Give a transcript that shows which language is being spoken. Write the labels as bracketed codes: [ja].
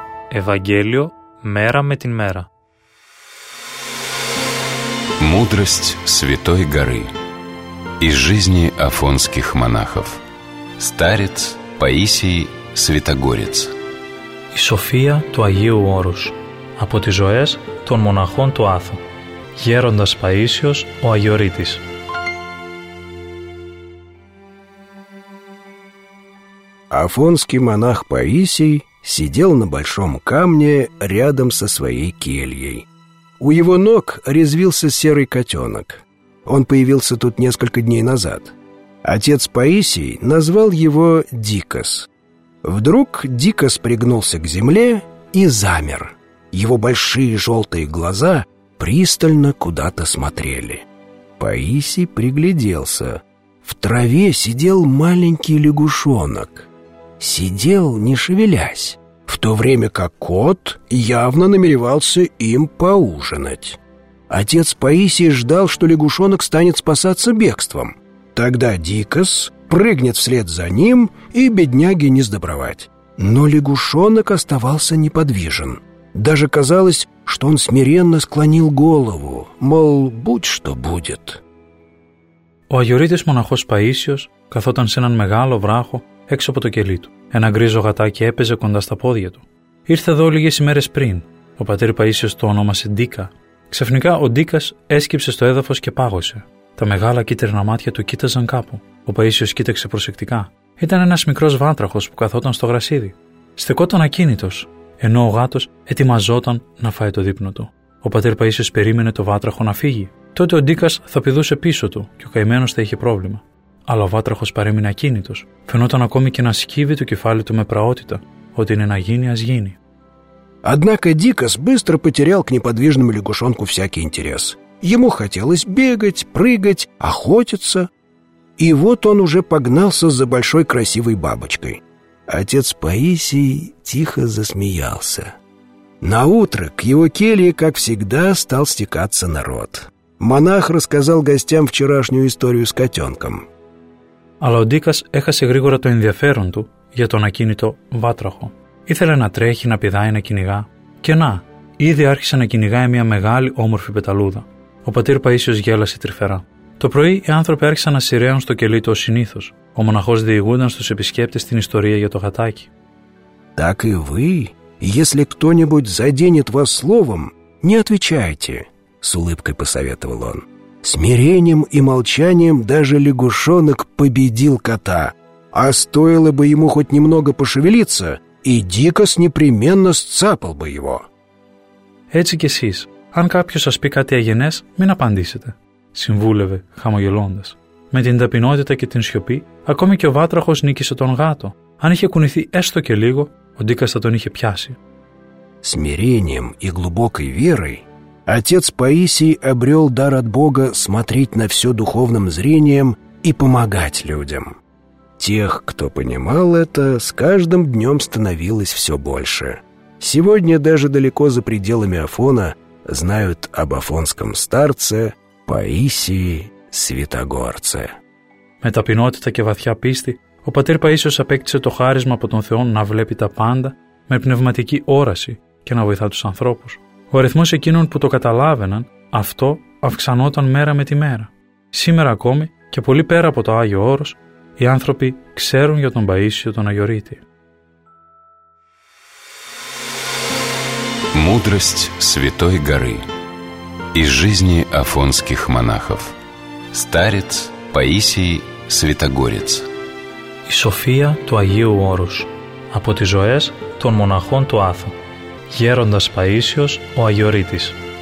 [ru] Евангелие мера με την мера. Мудрость Святой Горы. Из жизни афонских монахов. Старец Паисий Святогорец. [el] И София του Αγίου Όρους. Από τις ζωές των μοναχών του Άθου. Γέροντας Παΐσιος ο Αγιορείτης. [ru] Афонский монах Паисий сидел на большом камне рядом со своей кельей. У его ног резвился серый котенок. Он появился тут несколько дней назад. Отец Паисий назвал его Дикос. Вдруг Дикос пригнулся к земле и замер. Его большие желтые глаза пристально куда-то смотрели. Паисий пригляделся. В траве сидел маленький лягушонок. Сидел, не шевелясь, в то время как кот явно намеревался им поужинать. Отец Паисий ждал, что лягушонок станет спасаться бегством. Тогда Дикос прыгнет вслед за ним и бедняге не сдобровать. Но лягушонок оставался неподвижен. Даже казалось, что он смиренно склонил голову, мол, будь что будет. [el] Ο Αγιορείτης μοναχός Παΐσιος καθόταν σε έναν μεγάλο βράχο έξω από το κελί του. Ένα γκρίζο γατάκι έπαιζε κοντά στα πόδια του. Ήρθε εδώ λίγες ημέρες πριν. Ο πατήρ Παΐσιος το ονόμασε Ντίκα. Ξαφνικά ο Ντίκας έσκυψε στο έδαφος και πάγωσε. Τα μεγάλα κίτρινα μάτια του κοίταζαν κάπου. Ο Παΐσιος κοίταξε προσεκτικά. Ήταν ένας μικρός βάτραχος που καθόταν στο γρασίδι. Στεκόταν ακίνητος, ενώ ο γάτος ετοιμαζόταν να φάει το δείπνο του. Ο πατήρ Παΐσιος περίμενε το βάτραχο να φύγει. Τότε ο Ντίκας θα πηδούσε πίσω του και ο καημένος θα είχε πρόβλημα. Αλλά ο βάτραχος παρέμεινε ακίνητος. Φαινόταν ακόμη και να σκύβει το κεφάλι του με πραότητα. Ό,τι είναι να γίνει, ας γίνει. [ru] Однако Дикос быстро потерял к неподвижному лягушонку всякий интерес. Ему хотелось бегать, прыгать, охотиться. И вот он уже погнался за большой красивой бабочкой. Отец Паисий тихо засмеялся. Наутро к его келье, как всегда, стал стекаться народ. Монах рассказал гостям вчерашнюю историю с котенком. [el] Αλλά ο Ντίκας έχασε γρήγορα το ενδιαφέρον του για τον ακίνητο βάτραχο. Ήθελε να τρέχει, να πηδάει, να κυνηγά. Και να, ήδη άρχισε να κυνηγάει μια μεγάλη όμορφη πεταλούδα. Ο πατήρ Παΐσιος γέλασε τρυφερά. Το πρωί οι άνθρωποι άρχισαν να σειραίουν στο κελί του ως συνήθως. Ο μοναχός διηγούνταν στους επισκέπτες την ιστορία για το γατάκι. [ru] «Так и вы, если кто-нибудь заденет вас словом, не отвечайте», с улыбкой посоветовал он. «Смирением и молчанием даже лягушонок победил кота. А стоило бы ему хоть немного пошевелиться, и Дикос непременно сцапал бы его». [el] «Έτσι και εσείς. Αν κάποιος σας πει κάτι αγενές, μην απαντήσετε», συμβούλευε χαμογελώντας. Με την ταπεινότητα και την σιωπή, ακόμη και ο βάτραχος νίκησε τον γάτο. Αν είχε κουνηθεί έστω και λίγο, ο Δίκας θα τον είχε πιάσει. [ru] «Смирением и глубокой верой отец Паисий обрел дар от Бога смотреть на все духовным зрением и помогать людям. Тех, кто понимал это, с каждым днем становилось все больше. Сегодня даже далеко за пределами Афона знают об афонском старце Паисии Святогорце». [el] Με ταπεινότητα και βαθιά πίστη, ο πατήρ Παΐσιος απέκτησε το χάρισμα από τον Θεό να βλέπει τα πάντα με πνευματική όραση και να βοηθά τους ανθρώπους. Ο αριθμός εκείνων που το καταλάβαιναν αυτό αυξανόταν μέρα με τη μέρα. Σήμερα ακόμη και πολύ πέρα από το Άγιο Όρος, οι άνθρωποι ξέρουν για τον Παΐσιο τον Αγιορείτη. [ru] Мудрость Святой Горы. Из жизни афонских монахов. Старец Паисий Святогорец. [el] «Η Σοφία του Αγίου Όρους» από τις ζωές των μοναχών του Άθου. Γέροντας Παΐσιος ο Αγιορείτης.